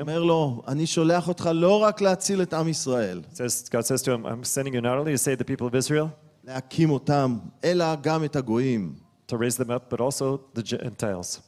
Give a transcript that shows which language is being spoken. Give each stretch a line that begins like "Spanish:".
Hebrew: אומר לו, אני שולח אותך לא רק להציל את עם ישראל.
English: God says to him, I'm sending you not only to save the people of Israel.
Hebrew: להקים אותם, אלא גם את הגויים.
English: To raise them up, but also the Gentiles.